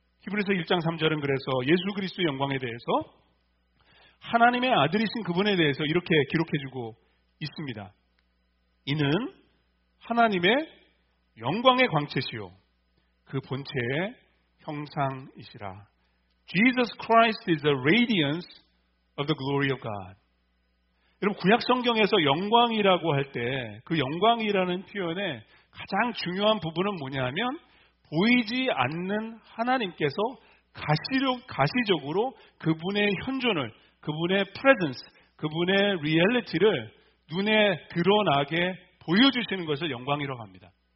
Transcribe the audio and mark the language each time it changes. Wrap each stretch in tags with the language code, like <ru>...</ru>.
<ko>히브리서 1장 3절은 그래서 예수 그리스도의 영광에 대해서 하나님의 아들이신 그분에 대해서 이렇게 기록해주고 있습니다. 이는 하나님의 영광의 광채시요 그 본체의 형상이시라.</ko> <en>Jesus Christ is the radiance of the glory of God.</en> <ko>여러분 구약 성경에서 영광이라고 할 때 그 영광이라는 표현의 가장 중요한 부분은 뭐냐면 보이지 않는 하나님께서 가시적으로 그분의 현존을, 그분의 presence, 그분의 reality를 눈에 드러나게 보여주시는 것을 영광이라고 합니다.</ko>